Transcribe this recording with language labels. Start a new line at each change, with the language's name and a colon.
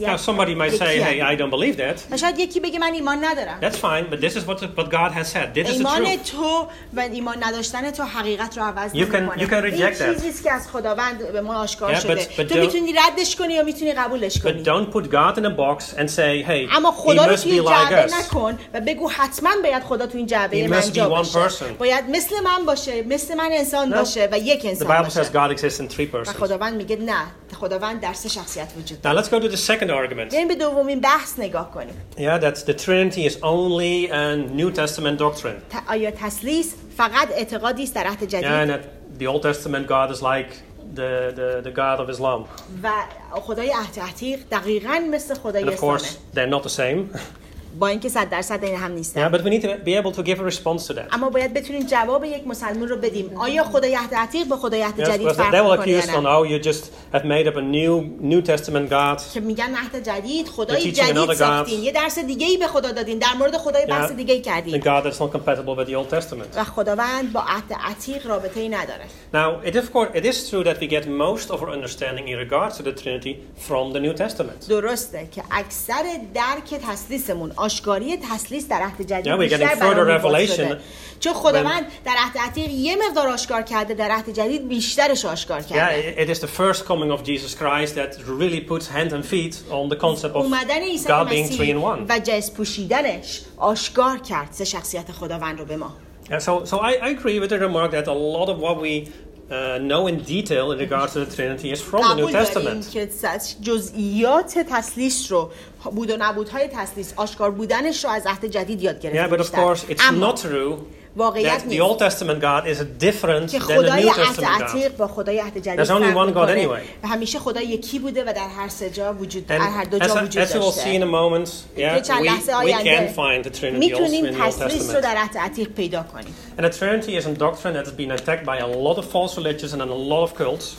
English: Now somebody might say, hey, I don't believe that. That's fine, but this is what God has said. This is the truth. You can reject that. But don't put God in a box and say, hey, he must be like us.
Persian: و بگو حتما باید خدا تو این جعبه من جا باشه. باید مثل من باشه، مثل من انسان باشه و یک انسان باشه.
English: The Bible says God exists in three persons.
Persian: و خداوند میگه نه، خداوند در سه شخصیت وجود داره.
English: Now let's go to the second argument.
Persian: بیایم به دومین بحث نگاه کنیم.
English: Yeah, that the Trinity is only a New Testament doctrine.
Persian: آیا تثلیث فقط اعتقادی است در عهد جدید؟
English: Yeah, and that the Old Testament God is like the God of Islam.
Persian: و خدای عهد عتیق دقیقاً مثل خدای اسلامه.
English: And of course, they're not the same.
Persian: با اینکه 100% این هم نیستن.
English: Yeah, but we need to be able to give a response to that.
Persian: اما باید بتونیم جواب یک مسلمان رو بدیم. آیا خدای عهد عتیق با خدای عهد جدید فرق می‌کنه؟
English: Well, they will accuse you, you just have made up a new testament god.
Persian: که میگن عهد جدید، خدای جدید ساختین، یه درس دیگه‌ای به خدا دادین، در مورد خدای بحث دیگه‌ای کردین.
English: The god that's not compatible with the old testament.
Persian: و خداوند با عهد عتیق رابطه‌ای نداره.
English: Now, it is true that we get most of our understanding in regards to the Trinity from the New Testament.
Persian: درسته که اکثر درک تثلیثمون آشکاری تثلیث در عهد جدید بیشتر برامون شده، چون خداوند در عهد عتیق یه مقدار آشکار کرده، در عهد جدید بیشترش آشکار کرده.
English: Yeah, it is the first coming of Jesus Christ that really puts hand and feet on the concept of God being three in one.
Persian: و جس پوشیدنش آشکار کرد سه شخصیت خداوند رو به ما.
English: So I agree with the remark that a lot of what we know in detail in regards to the Trinity is from the New Testament.
Persian: جزئیات تثلیث رو بود و نبودهای تثلیث آشکار بودنش رو از عهد جدید یاد گرفتیم.
English: Yeah, but of course it's not true.
Persian: واقعیت
English: the Old Testament God is a different than the New Testament God. There's only one God anyway.
Persian: و همیشه خدا یکی بوده و در هر سه جا وجود در هر دو جا وجود داشته.
English: As you will see in a moment, we can find the Trinity also in the Old Testament.
Persian: میتونیم تثلیث رو در عهد عتیق پیدا کنیم.
English: And the Trinity is a doctrine that has been attacked by a lot of false religions and a lot of cults.